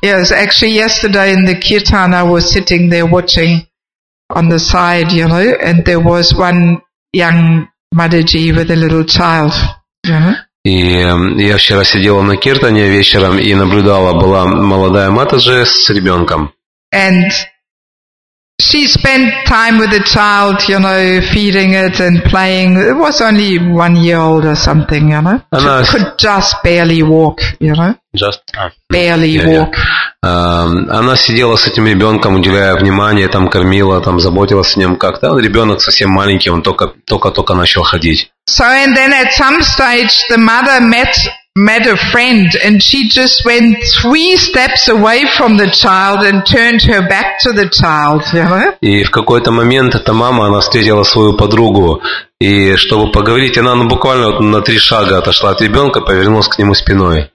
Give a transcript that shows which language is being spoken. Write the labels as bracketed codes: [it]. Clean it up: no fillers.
[en] Yes, actually yesterday in the kirtan I was sitting there watching on the side, you know, and there was one young Madhaji with a little child. [ru] И я вчера сидела на киртане вечером и наблюдала, была молодая Матаджи с ребенком. [en] And she spent time with the child, you know, feeding it and playing. It was only 1 year old or something, you know. [ru] Она [en] she could just barely walk, you know. Just barely walk. [ru] Она сидела с этим ребенком, уделяя внимание, там кормила, там заботилась о нем как-то. Ребенок совсем маленький, он только начал ходить. [en] So and then at some stage the mother met a friend and she just went 3 steps away from the child and turned her back to the child. [ru] И в какой-то момент эта мама, она встретила свою подругу, и чтобы поговорить, она буквально на 3 шага отошла от ребенка, повернулась к нему спиной.